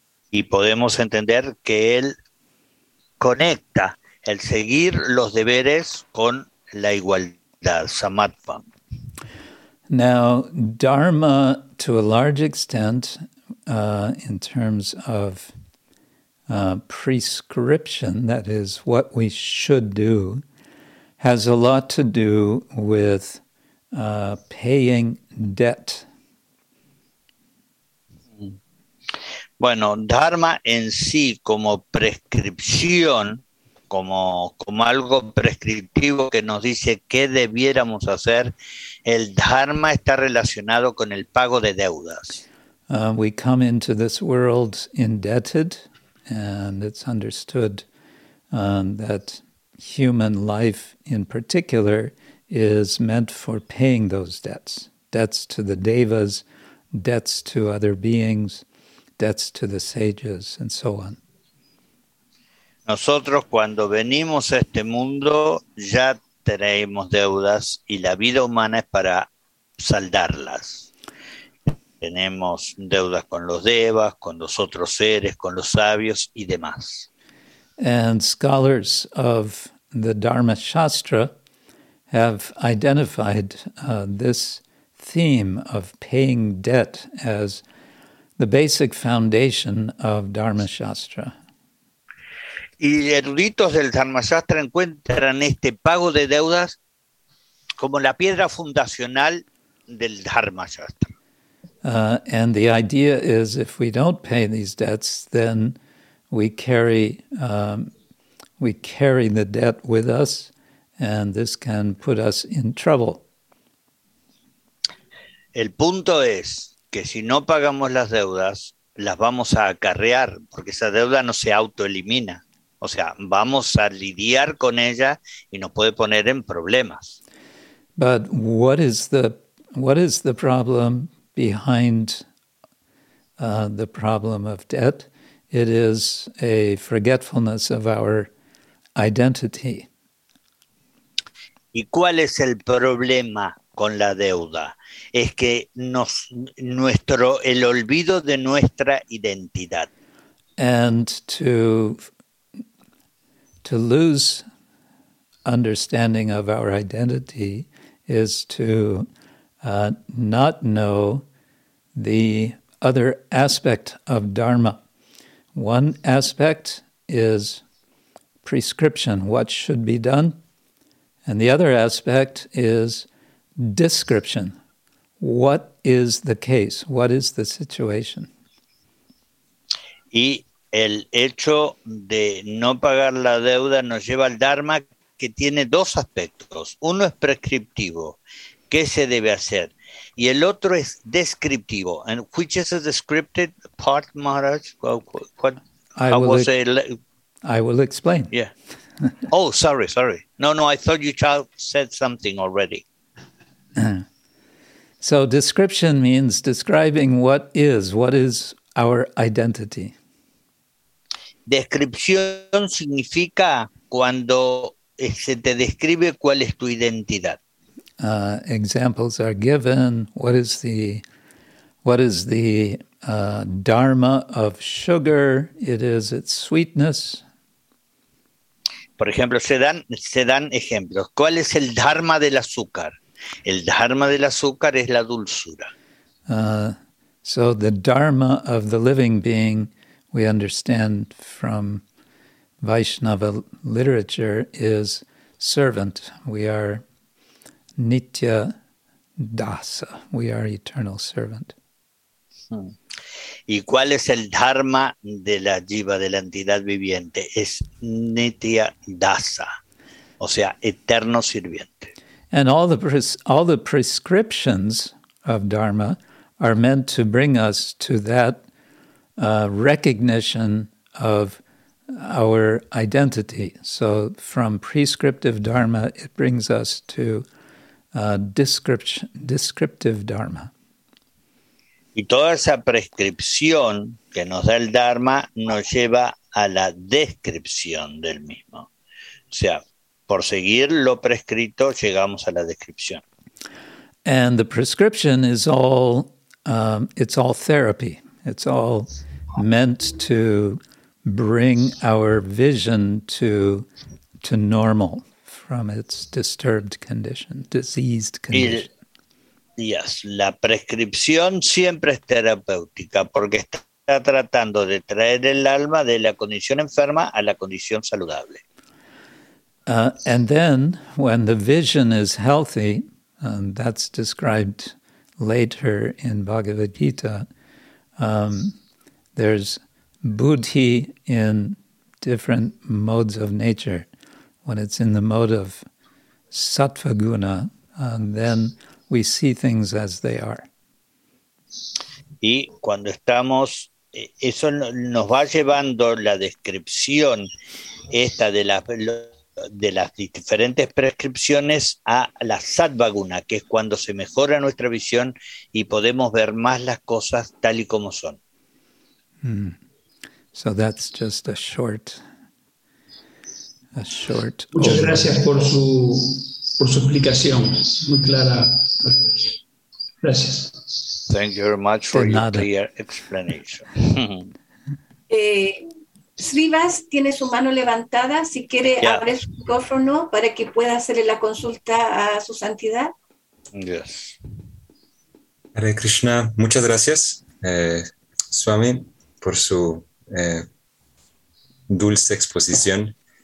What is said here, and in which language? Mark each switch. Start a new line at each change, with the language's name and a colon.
Spanish: Y podemos entender que él conecta el seguir los deberes con la igualdad, samatva.
English: Now, dharma, to a large extent, in terms of prescription, that is, what we should do, has a lot to do with paying debt.
Spanish: Bueno, Dharma en sí como prescripción, como algo prescriptivo que nos dice qué debiéramos hacer, el Dharma está relacionado con el pago de deudas.
English: We come into this world indebted, and it's understood that human life in particular is meant for paying those debts, debts to the devas, debts to other beings, debts to the sages, and so on.
Spanish: Nosotros cuando venimos a este mundo ya tenemos deudas y la vida humana es para saldarlas. Tenemos deudas con los devas, con los otros seres, con los sabios y demás.
English: And scholars of the Dharma Shastra have identified this theme of paying debt as the basic foundation of Dharma Shastra.
Spanish: Y eruditos del Dharma Shastra encuentran este pago de deudas como la piedra fundacional del Dharma Shastra.
English: And the idea is if we don't pay these debts, then we carry the debt with us, and this can put us in trouble.
Spanish: El punto es que si no pagamos las deudas, las vamos a acarrear, porque esa deuda no se autoelimina. O sea, vamos a lidiar con ella y nos puede poner en problemas.
English: But what is the problem behind the problem of debt? It is a forgetfulness of our identity.
Spanish: ¿Y cuál es el problema con la deuda? Es que el olvido de nuestra identidad.
English: And to lose understanding of our identity is to not know the other aspect of Dharma. One aspect is prescription, what should be done, and the other aspect is description, what is the case, what is the situation.
Spanish: El hecho de no pagar la deuda nos lleva al Dharma, que tiene dos aspectos. Uno es prescriptivo, ¿qué se debe hacer? Y el otro es descriptivo.
English: And which is the descriptive part, Maharaj? I will explain. Yeah. Oh, sorry. No, I thought you said something already. So description means describing what is our identity.
Spanish: Descripción significa cuando se te describe cuál es tu identidad.
English: Examples are given. What is the dharma of sugar? It is its sweetness.
Spanish: Por ejemplo, se dan ejemplos. ¿Cuál es el dharma del azúcar? El dharma del azúcar es la dulzura.
English: So the dharma of the living being, we understand from Vaishnava literature, is servant. We are nitya dasa. We are eternal servant.
Spanish: ¿Y cuál es el dharma de la jiva, de la entidad viviente? Es nitya dasa, o sea, eterno sirviente.
English: And all the prescriptions of dharma are meant to bring us to that recognition of our identity. So from prescriptive dharma, it brings us to descriptive dharma.
Spanish: Y toda esa prescripción que nos da el dharma nos lleva a la descripción del mismo. O sea, por seguir lo prescrito, llegamos a la descripción.
English: And the prescription is all, it's all therapy. It's all meant to bring our vision to normal from its disturbed condition, diseased condition.
Spanish: Yes, la prescripción siempre es terapéutica porque está tratando de traer el alma de la condición enferma a la condición saludable.
English: And then, when the vision is healthy, and that's described later in Bhagavad Gita, there's buddhi in different modes of nature. When it's in the mode of sattva-guna, then we see things as they are.
Spanish: Y cuando estamos, eso nos va llevando la descripción esta de la... de las diferentes prescripciones a la sattva-guna, que es cuando se mejora nuestra visión y podemos ver más las cosas tal y como son.
English: So that's just a short
Spanish: Muchas over. Gracias por su explicación, muy clara. Gracias.
English: Thank you very much for your clear explanation.
Spanish: Srivas tiene su mano levantada, si quiere abre su micrófono para que pueda hacerle la consulta a su santidad.
English: Yes.
Spanish: Hare Krishna, muchas gracias, Swami, por su dulce exposición.